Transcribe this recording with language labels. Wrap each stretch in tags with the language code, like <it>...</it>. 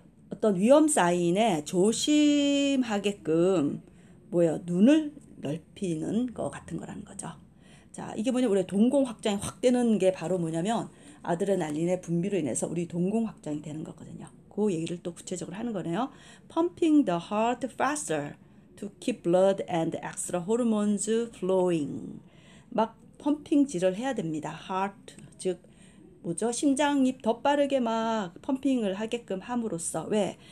<ko>어떤 위험 사인에 조심하게끔 뭐예요? 눈을 넓히는 것 같은 거라는 거죠. 자, 이게 뭐냐? 우리 동공 확장이 확 되는 게 바로 뭐냐면 아드레날린의 분비로 인해서 우리 동공 확장이 되는 거거든요. 그 얘기를 또 구체적으로 하는 거네요.</ko> <en>Pumping the heart faster to keep blood and extra hormones flowing.</en> <ko>막 펌핑질을 해야 됩니다. Heart, 즉 뭐죠? 심장이 더 빠르게 막 펌핑을 하게끔 함으로써 왜?</ko>